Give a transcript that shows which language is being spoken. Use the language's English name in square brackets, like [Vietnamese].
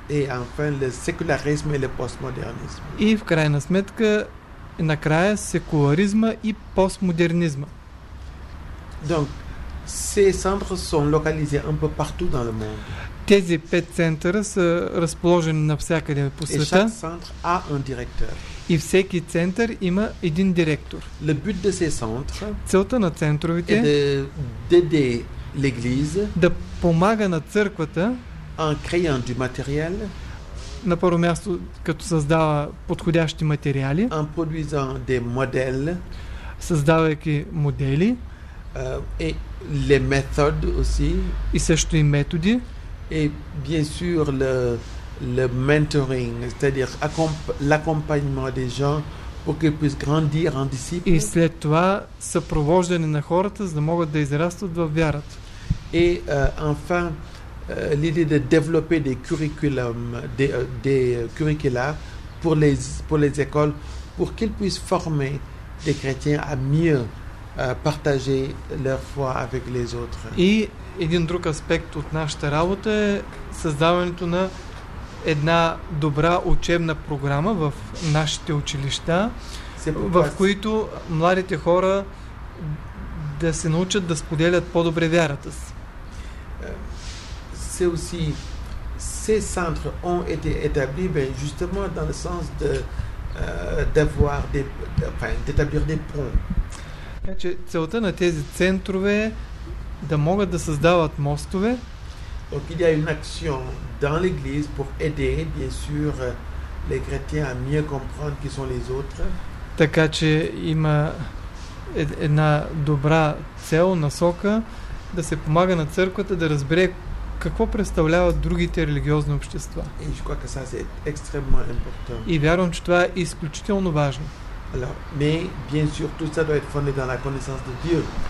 [French] et enfin le secularisme et le postmodernisme. [Bulgarian] И в крайна сметка накрая секуларизма и постмодернизма. [French] Donc ces centres sont localisés un peu partout dans le monde. [Bulgarian] Тези 5 центъра са разположени навсякъде по света. [French] Et chaque centre a un directeur. [Bulgarian] И всеки център има един директор. [French] Le but de ces centres. [Bulgarian] Целта на центровете [French] е d'aider l'église. [Bulgarian] Да помага на църквата. [French] En créant du matériel. [Bulgarian] На първо място, като създава подходящи материали. [French] En produisant des modèles. [Bulgarian] Създавайки модели. [French] Et les méthodes aussi. [Bulgarian] И също и методи. [French] Et bien sûr le mentoring, c'est-à-dire l'accompagnement des gens pour qu'ils puissent grandir en disciples. [Bulgarian] И след това съпровождане на хората, за да могат да израстват във вярата. [French] Et enfin l'idée de développer des curriculums des curricula pour les écoles pour qu'ils puissent former des chrétiens à mieux partager leur foi avec les autres. [Bulgarian] И един друг аспект от нашата работа е създаването на една добра учебна програма в нашите училища, в които младите хора да се научат да споделят по-добре вярата си. [French] C'est aussi ces centres ont été établis ben justement dans le sens de d'avoir des enfin d'établir des ponts. [Bulgarian] Така че целта на тези центрове е да могат да създават мостове. [French] Donc, il y a une action dans l'église pour aider, bien sûr, les chrétiens à mieux comprendre qui sont les autres. [Bulgarian] Така че има една добра цел, насока да се помага на църквата да разбере какво представляват другите религиозни общества. [French] Et je crois que ça, c'est extrêmement important. [Bulgarian] И вярвам, че това е изключително важно. [French] Alors, mais bien sûr, tout ça doit être fondé dans la connaissance de Dieu.